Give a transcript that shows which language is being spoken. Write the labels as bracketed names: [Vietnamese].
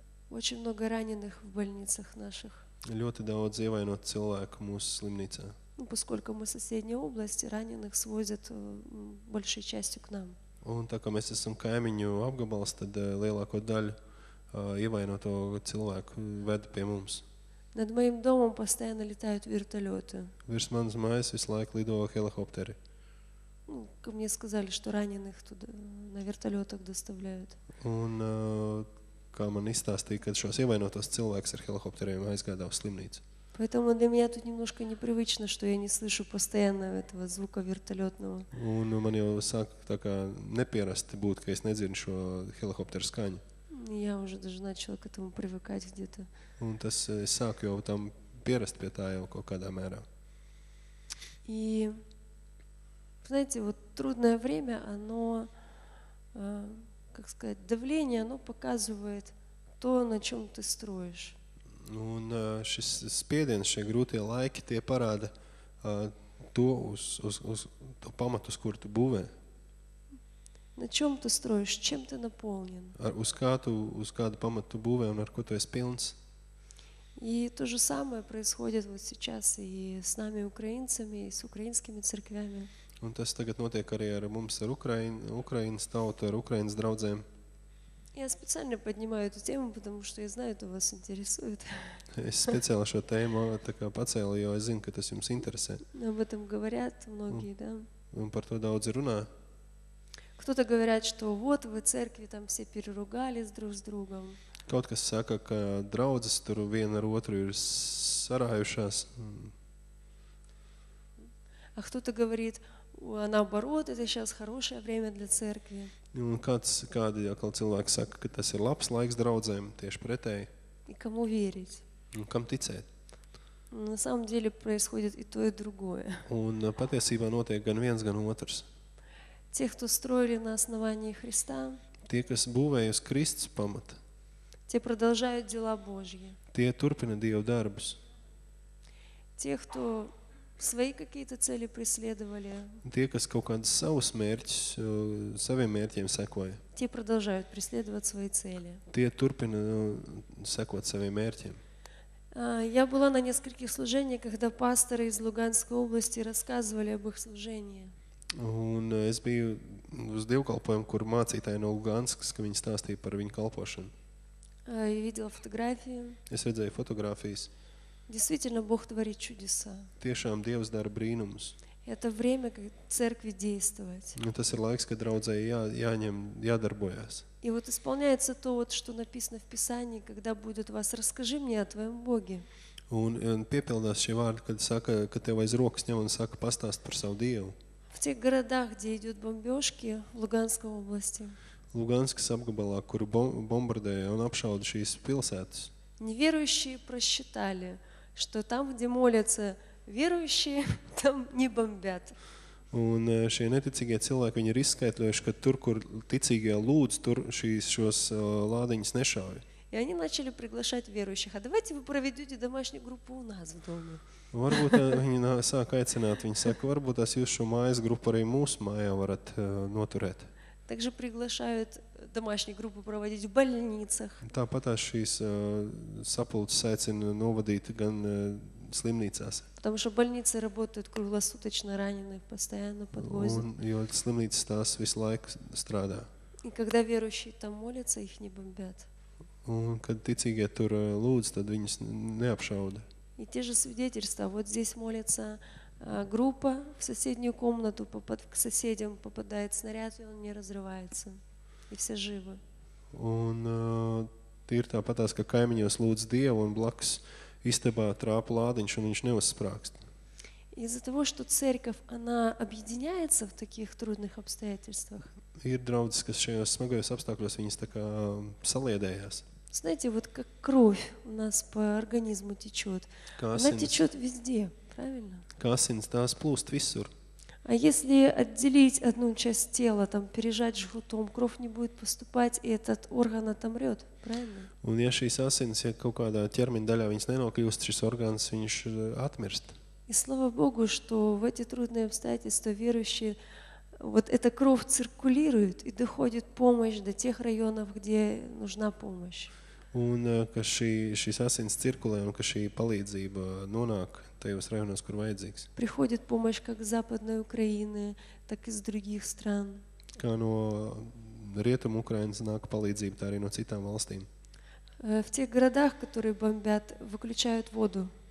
[Russian] Очень много раненых в больницах наших. [Latvian] Ļoti daudz ievainot cilvēku mūsu slimnīcā. [Russian] Ну, поскольку мы соседняя область, раненых свозят большей частью к нам. [Latvian] Un tā kā mēs esam kaimiņu apgabals, tad lielāko daļu ievainoto cilvēku veda pie mums. [Russian] Над моим домом постоянно летают вертолёты. [Latvian] Virs manas mājas visu laiku lido helikopteri. [Russian] Ну, ко мне сказали, что раненых туда на вертолётах доставляют. [Latvian] Un kā man izstāstīja, kad šos ievainotos cilvēkus ar helikopteriem aizgādā uz slimnīcu. [Russian] Поэтому для меня тут немножко непривычно, что я не слышу постоянно этого звука вертолётного. [Latvian] Un man jau sāk tā kā nepierasti būt, ka es nedzirnu šo helikopteru skaņu. [Russian] Я уже даже начала к этому привыкать где-то. [Latvian] Un tas es sāku jau tam pierast pie tā jau kaut kādā mērā. [Russian] И знаете, вот трудное время, оно, как сказать, давление, оно показывает то, на чём ты строишь. [Latvian] Un šis spiediens, šie grūtie laiki, tie parāda to, uz to pamatu, uz kur tu būvē. [Russian] Na čom tu strojuš? Čem tu napolnien? [Latvian] Uz kādu pamatu tu būvē un ar ko tu esi pilns? [Russian] I to же самое происходит вот сейчас и с нами украинцами, и с украинскими церквями. [Latvian] Un tas tagad notiek arī ar mums, ar Ukrainas tautu, ar Ukrainas draudzēm. [Russian] Я специально поднимаю эту тему, потому что я знаю, это вас интересует. [Latvian] Es speciāli šo tēmu tā kā pacēlu, jo es zinu, ka tas jums interesē. [Russian] Об этом говорят многие, да? [Latvian] Un par to daudz runā. [Russian] Кто-то говорят, что вот в церкви там все переругались друг с другом. [Latvian] Kaut kas saka, ka draudzes tur viena ar otru ir sarājušās. [Russian] А кто-то говорит, наоборот, это сейчас хорошее время для церкви. [Latvian] Un kāds, kādi atkal cilvēki saka, ka tas ir labs laiks draudzēm, tieši pretēji. [Russian] И кому верить? [Latvian] Un kam ticēt? [Russian] На самом деле происходит и то, и другое. [Latvian] Un patiesībā notiek gan viens, gan otrs. Tie, [Russian] кто строили на основании Христа. [Latvian] Tie, kas būvēja uz Kristus pamata. Tie [Russian] продолжают дела Божьи. [Latvian] Tie turpina Dieva darbus. Tie, [Russian] кто свои какие-то цели преследовали. [Latvian] Tie, kas kaut kādus savus mērķus, saviem mērķiem sekoja. Tie [Russian] продолжают преследовать свои цели. [Latvian] Tie turpina sekot saviem mērķiem. [Russian] Я была на нескольких служениях, когда пасторы из Луганской области рассказывали об их служении. [Latvian] Un es biju uz divkalpojumu, kur mācītāji no Luganskas, ka viņi stāstīja par viņu kalpošanu. [Russian] Видела фотографии. [Latvian] Es redzēju fotogrāfijas. [Russian] Действительно, Бог творит чудеса. [Latvian] Tiešām Dievs dara brīnumus. [Russian] Это время, как церкви действовать. Ну, [Latvian] tas ir laiks, kad draudzēji jāņem, jādarbojās. [Russian] И вот исполняется то, вот, что написано в Писании, когда будет вас, расскажи мне о твоем Боге. [Latvian] Un piepildās šie vārdi, kad saka, ka tev aiz rokas ņem un saka, pastāst par savu Dievu. [Russian] В тех городах, где идут бомбежки, в Луганской области. [Latvian] Луганскас apgabalā, kur bombardēja un apšauda šīs pilsētas. [Russian] Неверующие просчитали, что там, где молятся верующие, там не бомбят. [Latvian] Un šie neticīgie cilvēki, viņi ir izskaitļojuši, ka tur, kur ticīgie lūdz, tur šos lādiņus nešauja. [Russian] И они начали приглашать верующих. А давайте вы проведете домашнюю группу у нас в доме. [Latvian] Varbūt viņi sāk aicināt, viņi saka, varbūt tās jūs šo mājas grupu arī mūsu mājā varat noturēt. [Russian] Также приглашают домашние группы проводить в больницах. [Latvian] Tāpat tās šīs sapulces aicina novadīt gan slimnīcās. [Russian] Потому что больницы работают круглосуточно, раненых постоянно подвозят. [Latvian] Un, jo slimnīcas tās visu laiku strādā. [Russian] И когда верующие там молятся, их не бомбят. [Latvian] Un kad ticīgie tur lūdz, tad viņus neapšauda. [Russian] И те же свидетельства. Вот здесь молится группа в соседнюю комнату, к соседям попадает снаряд, и он не разрывается. И все живы. [Latvian] Un Tie ir tāpatās, ka kaimiņos lūdz Dievu un blakus istabā trāp lādiņš un viņš neuzsprākst. [Russian] Из-за того, что церковь, она объединяется в таких трудных обстоятельствах. [Latvian] Ir draudzes, kas šajos smagajos apstākļos viņas tā kā saliedējās. [Russian] Знаете, вот как кровь у нас по организму течёт. Она течёт везде, правильно? [Latvian] Kā asins tās plūst visur. [Russian] А если отделить одну часть тела, там пережать жгутом, кровь не будет поступать, и этот орган отомрёт, правильно? [Latvian] Un ja šīs asins, ja kaut kādā ķermeņa daļā viņas nenokļūst, šis orgāns viņš atmirst. [Russian] И слава Богу, что в эти трудные обстоятельства верующие, вот эта кровь циркулирует и доходит помощь до тех районов, где нужна помощь. [Latvian] Un ka šīs asins cirkulē un ka šī palīdzība nonāk tajos rajonos, kur vajadzīgs. [Russian] Приходит помощь как Западной Украины, так и из других стран. [Latvian] Kā no Rietumu Ukrainas nāk palīdzība, tā arī no citām valstīm. [Russian] В тех городах, которые бомбят, выключают воду.